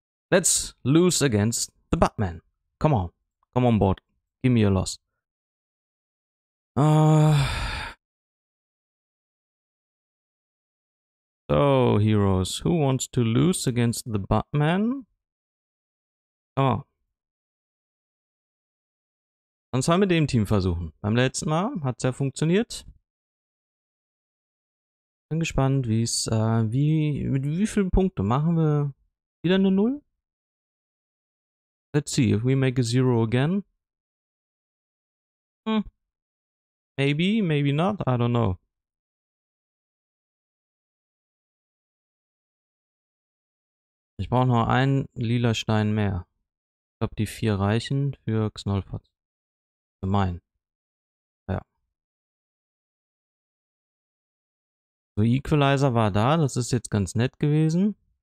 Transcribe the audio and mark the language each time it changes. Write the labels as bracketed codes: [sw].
[en] Let's lose against the Batman. Come on. Come on board. Give me your loss. So, heroes, who wants to lose against the Batman? Come on. [de] Und zwar mit dem Team versuchen. Beim letzten Mal hat's ja funktioniert. Bin gespannt, mit wie vielen Punkten machen wir wieder eine Null? [en] Let's see, if we make a zero again. Maybe, maybe not, I don't know. [de] Ich brauche noch einen lila Stein mehr. Ich glaube, die vier reichen für Xnolfatz. Für meinen. Ja. So, Equalizer war da, das ist jetzt ganz nett gewesen.